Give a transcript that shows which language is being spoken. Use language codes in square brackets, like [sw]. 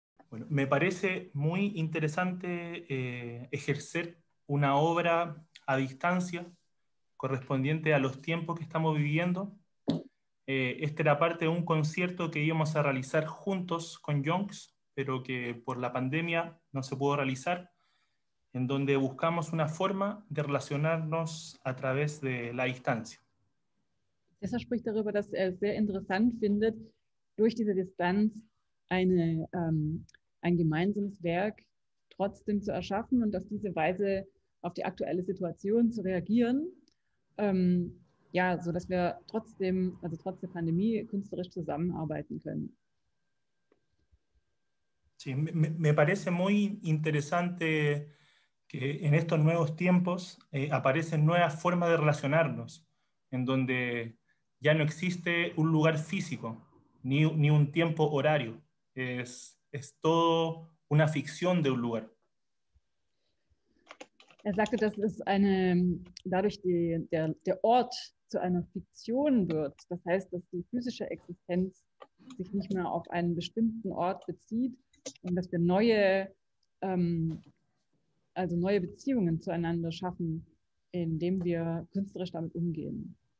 [es] Bueno, me parece muy interesante ejercer una obra a distancia correspondiente a los tiempos que estamos viviendo. Esta era parte de un concierto que íbamos a realizar juntos con Jonx, pero que por la pandemia no se pudo realizar, en donde buscamos una forma de relacionarnos a través de la distancia. [de] Deshalb spricht darüber, dass er es sehr interessant findet, durch diese Distanz ein gemeinsames Werk trotzdem zu erschaffen und auf diese Weise auf die aktuelle Situation zu reagieren. Ja, so dass wir trotzdem, also trotz der Pandemie, künstlerisch zusammenarbeiten können. [es] Sí, me parece muy interesante que en estos nuevos tiempos aparecen nuevas formas de relacionarnos, en donde ya no existe un lugar físico ni un tiempo horario. Es todo una ficción de un lugar. [de] Er sagte, dass es dadurch der Ort zu einer Fiktion wird. Das heißt, dass die physische Existenz sich nicht mehr auf einen bestimmten Ort bezieht und dass wir neue Beziehungen zueinander schaffen, indem wir künstlerisch damit umgehen.